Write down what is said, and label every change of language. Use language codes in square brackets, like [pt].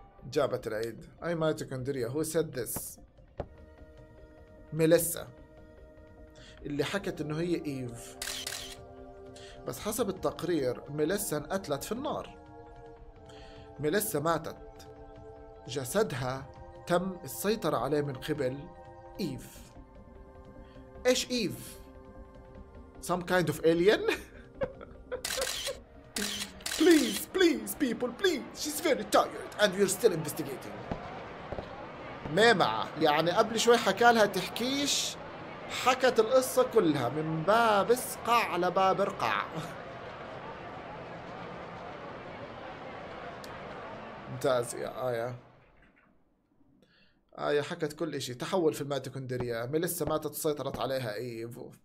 [ar] جابت العيد. أي ميتوكوندريا هو سدس ميليسا اللي حكت انه هي ايف. بس حسب التقرير ميليسا انقتلت في النار. ميليسا ماتت جسدها تم السيطرة عليه من قبل إيف. إيش [en] Eve? Some kind of alien. Please, please, people, please. She's very tired and we're still investigating. [ar] ماما يعني قبل شوي حكالها تحكيش، حكت القصة كلها من باب اسقع على باب رقع. ممتاز يا آية. آية حكت كل اشي، تحول في الميتوكوندريا، ميليسا ماتت وسيطرت عليها ايف.